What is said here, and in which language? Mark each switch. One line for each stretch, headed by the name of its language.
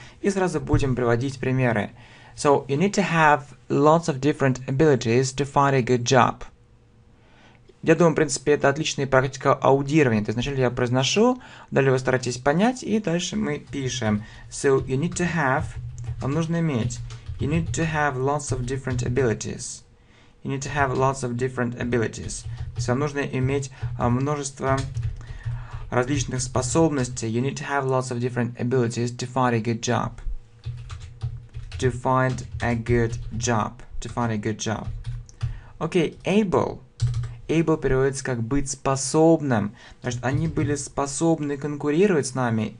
Russian: И сразу будем приводить примеры.
English: So, you need to have lots of different abilities to find a good job.
Russian: Я думаю, в принципе, это отличная практика аудирования. То есть, вначале я произношу, далее вы стараетесь понять, и дальше мы пишем.
English: So, you need to have...
Russian: Вам нужно иметь.
English: You need to have lots of different abilities. You need to have lots of different abilities.
Russian: То есть, вам нужно иметь множество различных способностей.
English: You need to have lots of different abilities to find a good job. To find a good job. To find a good job.
Russian: Окей, able. Able переводится как быть способным. Значит, они были способны конкурировать с нами.